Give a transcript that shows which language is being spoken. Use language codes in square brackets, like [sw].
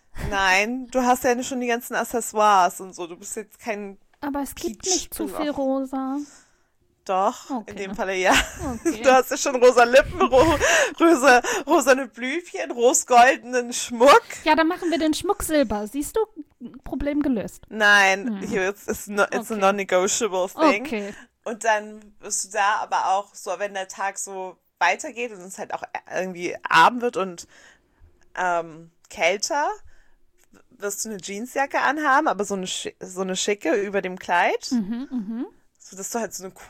[de] Nein, du hast ja schon die ganzen Accessoires und so. Du bist jetzt kein. Aber es gibt nicht zu viel rosa. Doch, in dem Falle ja. Okay. Du hast ja schon rosa Lippen, rosane Blümchen, rosgoldenen Schmuck. Ja, dann machen wir den Schmuck silber. Siehst du? Problem gelöst. Nein, [en] it's a non-negotiable thing. [de] Okay. Und dann wirst du da aber auch so, wenn der Tag so weitergeht und es halt auch irgendwie Abend wird und kälter. Wirst du eine Jeansjacke anhaben, aber so eine schicke über dem Kleid. So, dass du halt so eine coole